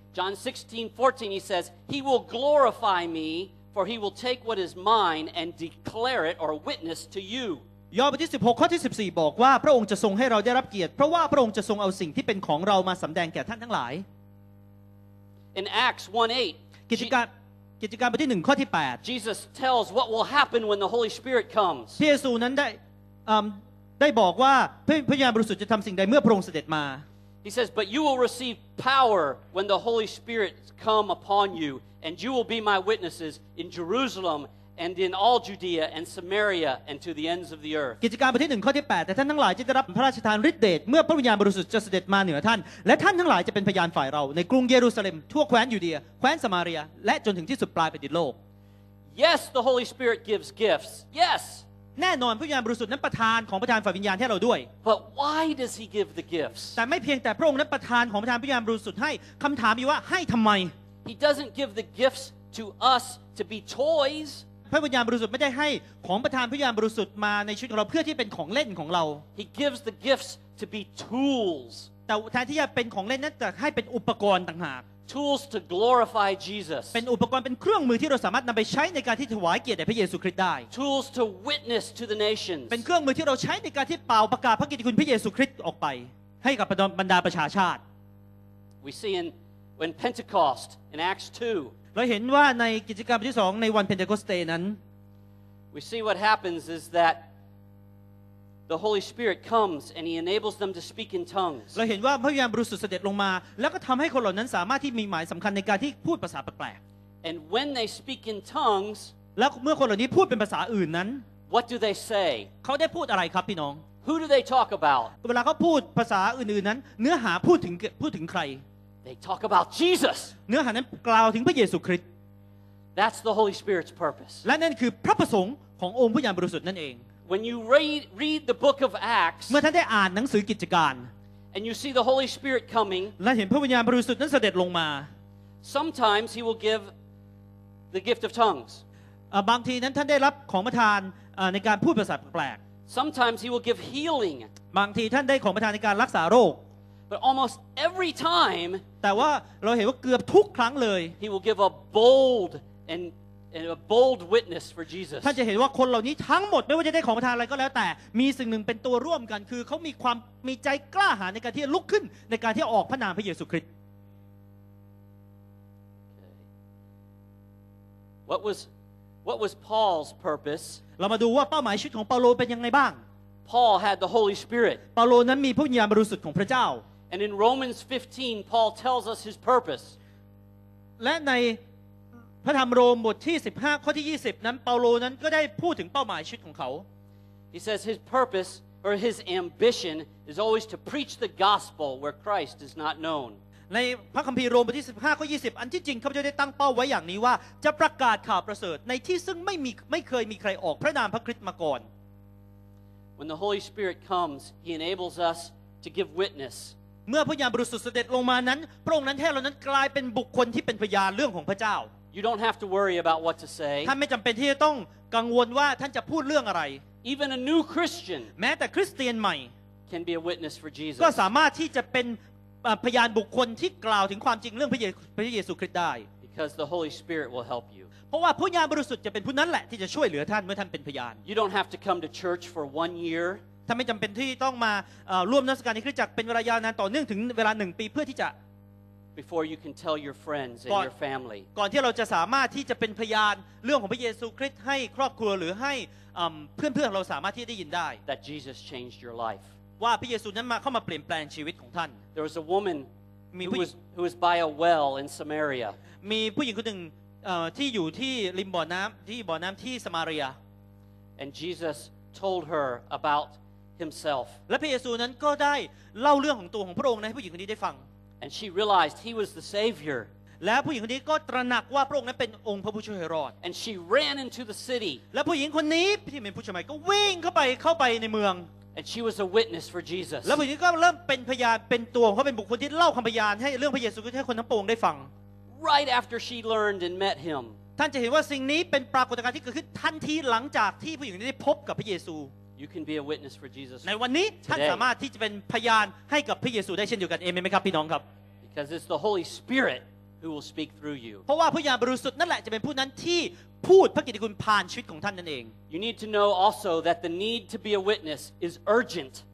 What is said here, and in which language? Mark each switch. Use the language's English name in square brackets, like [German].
[English] John 16:14 he says he will glorify me for he will take what is mine and declare it or witness to you. [Thai] ย่อบทที่16ข้อที่14บอกว่าพระองค์จะทรงให้เราได้รับเกียรติเพราะว่าพระองค์จะทรงเอาสิ่งที่เป็นของเรามาสำแดงแก่ท่านทั้งหลาย [English] In Acts 1:8 [Thai] กิจการบทที่1ข้อที่8 [English] Jesus tells what will happen when the Holy Spirit comes. [Thai] พระเยซูนั้นได้บอกว่าพระญาณบริสุทธิ์จะทำสิ่งใดเมื่อพระองค์เสด็จมา [English] He says but you will receive power when the Holy Spirit come upon you and you will be my witnesses in Jerusalem and in all Judea and Samaria and to the ends of the earth. [Thai] กิจการบทที่1ข้อที่8แต่ท่านทั้งหลายจะได้รับพระราชทานฤทธิ์เดชเมื่อพระวิญญาณบริสุทธิ์จะเสด็จมาเหนือท่านและท่านทั้งหลายจะเป็นพยานฝ่ายเราในกรุงเยรูซาเล็มทั่วแคว้นยูเดียแคว้นซามาเรียและจนถึงที่สุดปลายแผ่นดินโลก [English] Yes, the Holy Spirit gives gifts. Yes. [Thai] แน่นอนพระวิญญาณบริสุทธิ์นั้นประทานของประทานฝ่ายวิญญาณให้เราด้วย [English] But why does he give the gifts? [Thai] แต่ไม่เพียงแต่พระองค์นั้นประทานของประทานพระวิญญาณบริสุทธิ์ให้คำถามอยู่ว่าให้ทำไม [English] He doesn't give the gifts to us to be toys. [Thai] พระวิญญาณบริสุทธิ์ไม่ได้ให้ของประทานพระวิญญาณบริสุทธิ์มาในชีวิตเราเพื่อที่เป็นของเล่นของเรา [English] He gives the gifts to be tools [Thai] แต่แทนที่จะเป็นของเล่นนั้นจะให้เป็นอุปกรณ์ต่างหาก [English] Tools to glorify Jesus [Thai] เป็นอุปกรณ์เป็นเครื่องมือที่เราสามารถนำไปใช้ในการที่ถวายเกียรติแด่พระเยซูคริสต์ได้ [English] Tools to witness to the nations [Thai] เป็นเครื่องมือที่เราใช้ในการที่เป่าประกาศพระกิตติคุณพระเยซูคริสต์ออกไปให้กับบรรดาประชาชาติ [English] We see in when Pentecost in Acts 2 [Thai] เราเห็นว่าในกิจกรรมที่2ในวันเพนเทคอสเตนั้น [English] We see what happens is that the Holy Spirit comes and he enables them to speak in tongues [Thai] เราเห็นว่าพระวิญญาณบริสุทธิ์เสด็จลงมาแล้วก็ทำให้คนเหล่านั้นสามารถที่มีหมายสำคัญในการที่พูดภาษาแปลก [English] ๆ And when they speak in tongues [Thai] แล้วเมื่อคนเหล่านี้พูดเป็นภาษาอื่นนั้น [English] What do they say [Thai] เขาได้พูดอะไรครับพี่น้อง [English] Who do they talk about [Thai] เวลาเขาพูดภาษาอื่นๆนั้นเนื้อหาพูดถึงใคร [English] They talk about Jesus. [Thai] เนื้อหานั้นกล่าวถึงพระเยซูคริสต์ [English] That's the Holy Spirit's purpose. [Thai] และนั่นคือพระประสงค์ขององค์พระวิญญาณบริสุทธิ์นั่นเอง [English] When you read the book of Acts, [Thai] เมื่อท่านได้อ่านหนังสือกิจการ [English] and you see the Holy Spirit coming, [Thai] และเห็นพระวิญญาณบริสุทธิ์นั้นเสด็จลงมา [English] Sometimes he will give the gift of tongues. [Thai] บางทีนั้นท่านได้รับของประทานในการพูดภาษาแปลก [English] Sometimes he will give healing. [Thai] บางทีท่านได้ของประทานในการรักษาโรค [English] But almost every time, [Thai] แต่ว่าเราเห็นว่าเกือบทุกครั้งเลย [English] he will give a bold and a bold witness for Jesus. [Thai] ท่านจะเห็นว่าคนเหล่านี้ทั้งหมดไม่ว่าจะได้ของประทานอะไรก็แล้วแต่มีสิ่งหนึ่งเป็นตัวร่วมกันคือเขามีความมีใจกล้าหาญในการที่ลุกขึ้นในการที่ออกพระนามพระเยซูคริสต์ [English] What was Paul's purpose? [Thai] เรามาดูว่าเป้าหมายชีวิตของเปาโลเป็นยังไงบ้าง [English] Paul had the Holy Spirit. [Thai] เปาโลนั้นมีพระวิญญาณบริสุทธิ์ของพระเจ้า [English] And in Romans 15, Paul tells us his purpose. [Thai] และในพระธรรมโรมบทที่15ข้อที่20นั้นเปาโลนั้นก็ได้พูดถึงเป้าหมายชีวิตของเขา [English] He says his purpose or his ambition is always to preach the gospel where Christ is not known. [Thai] ในพระคัมภีร์โรมบทที่15ข้อ20อันที่จริงเขาจะได้ตั้งเป้าไว้อย่างนี้ว่าจะประกาศข่าวประเสริฐในที่ซึ่งไม่เคยมีใครออกพระนามพระคริสต์มาก่อน [English] When the Holy Spirit comes, he enables us to give witness. [Thai] เมื่อพระวิญญาณบริสุทธิ์เสด็จลงมานั้นพระองค์นั้นให้เรานั้นกลายเป็นบุคคลที่เป็นพยานเรื่องของพระเจ้า [English] You don't have to worry about what to say [Thai] ท่านไม่จำเป็นที่จะต้องกังวลว่าท่านจะพูดเรื่องอะไร [English] Even a new Christian [Thai] แม้แต่คริสเตียนใหม่ [English] can be a witness for Jesus [Thai] ก็สามารถที่จะเป็นพยานบุคคลที่กล่าวถึงความจริงเรื่องพระเยซูคริสต์ได้ [English] Because the Holy Spirit will help you [Thai] เพราะว่าพระวิญญาณบริสุทธิ์จะเป็นผู้นั้นแหละที่จะช่วยเหลือท่านเมื่อท่านเป็นพยาน [English] You don't have to come to church for 1 year [Thai] ถ้าไม่จำเป็นที่ต้องมาร่วมนมัสการในคริสตจักรเป็นเวลายาวนานต่อเนื่องถึงเวลา1 ปีเพื่อที่จะ [English] Before you can tell your friends and your family [Thai] ก่อนที่เราจะสามารถที่จะเป็นพยานเรื่องของพระเยซูคริสต์ให้ครอบครัวหรือให้เพื่อนๆของเราสามารถที่ได้ยินได้ [English] That Jesus changed your life [Thai] ว่าพระเยซูนั้นมาเข้ามาเปลี่ยนแปลงชีวิตของท่าน [English] There was a woman who was by a well in Samaria [Thai] มีผู้หญิงคนหนึ่งที่อยู่ที่ริมบ่อน้ำที่บ่อน้ำที่สมาเรีย [English] And Jesus told her abouthimself [Thai] และพระเยซูนั้นก็ได้เล่าเรื่องของตัวของพระองค์ให้ผู้หญิงคนนี้ได้ฟัง [English] and she realized he was the savior [Thai] และผู้หญิงคนนี้ก็ตระหนักว่าพระองค์นั้นเป็นองค์พระผู้ช่วยให้รอด [English] and she ran into the city [Thai] และผู้หญิงคนนี้ที่เป็นผู้ชายก็วิ่งเข้าไปในเมือง [English] and she was a witness for Jesus [Thai] และผู้หญิงก็เริ่มเป็นพยานเป็นตัวเขาเป็นบุคคลที่เล่าคําพยานให้เรื่องพระเยซูให้คนทั้งปวงได้ฟัง [English] right after she learned and met him [Thai] ท่านจะเห็นว่าสิ่งนี้เป็นปรากฏการณ์ที่เกิดขึ้นทันทีหลังจากที่ผู้หญิงได้พบกับพระเยซู [English] You can be a witness for Jesus. [Thai] ในวันนี้ท่านสามารถที่จะเป็นพยานให้กับพระเยซูได้เช่นเดียวกันเอเมนไหมครับพี่น้องครับ [English] Because it's the Holy Spirit who will speak through you. [Thai] เพราะว่าพระวิญญาณบริสุทธิ์นั่นแหละจะเป็นผู้นั้นที่พูดพระกิตติคุณผ่านชีวิตของท่านนั่นเอง [English] You need to know also that the need to be a witness is urgent.